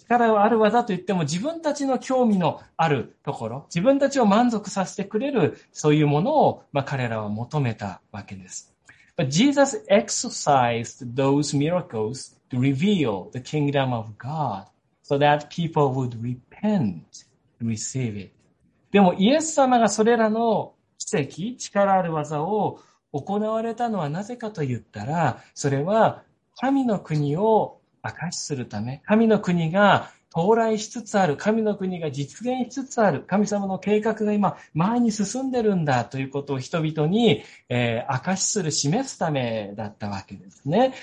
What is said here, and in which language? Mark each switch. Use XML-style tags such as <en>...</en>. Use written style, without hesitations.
<ja>力ある技といっても、自分たちの興味のあるところ、自分たちを満足させてくれる、そういうものを、彼らは求めたわけです。</ja> <en>But Jesus exercised those miracles to reveal the kingdom of God so that people would repent, receive it.</en> <ja>でも、イエス様がそれらの奇跡、力ある技を行われたのはなぜかと言ったら、それは神の国を明かしするため、神の国が到来しつつある、神の国が実現しつつある、神様の計画が今前に進んでるんだということを人々に、明かしする、示すためだったわけですね。</ja>